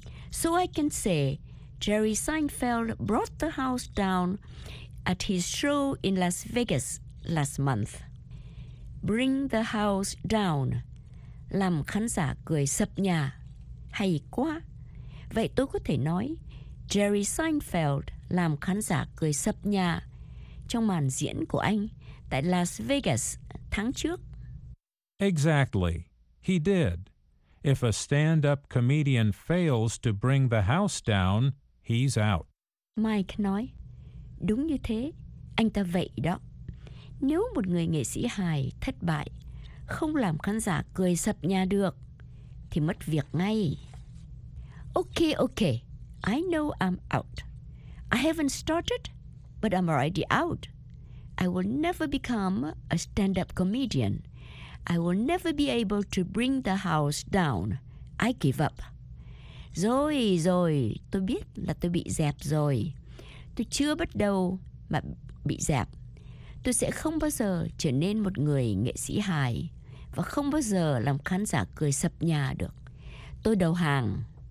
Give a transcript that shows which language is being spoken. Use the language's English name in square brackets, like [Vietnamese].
[English] So I can say, Jerry Seinfeld brought the house down at his show in Las Vegas last month. Bring the house down. [Vietnamese] Làm khán giả cười sập nhà. Hay quá. Vậy tôi có thể nói, Jerry Seinfeld làm khán giả cười sập nhà trong màn diễn của anh tại Las Vegas tháng trước. [English] Exactly. He did. If a stand-up comedian fails to bring the house down, he's out. [Vietnamese] Mike nói, đúng như thế, anh ta vậy đó. Nếu một người nghệ sĩ hài thất bại, không làm khán giả cười sập nhà được, thì mất việc ngay. [English] Okay, okay, I know I'm out. I haven't started, but I'm already out. I will never become a stand-up comedian. I will never be able to bring the house down. I give up. [Vietnamese] Rồi, rồi, tôi biết là tôi bị dẹp rồi. Tôi chưa bắt đầu mà bị dẹp. Tôi sẽ không bao giờ trở nên một người nghệ sĩ hài và không bao giờ làm khán giả cười sập nhà được. Tôi đầu hàng.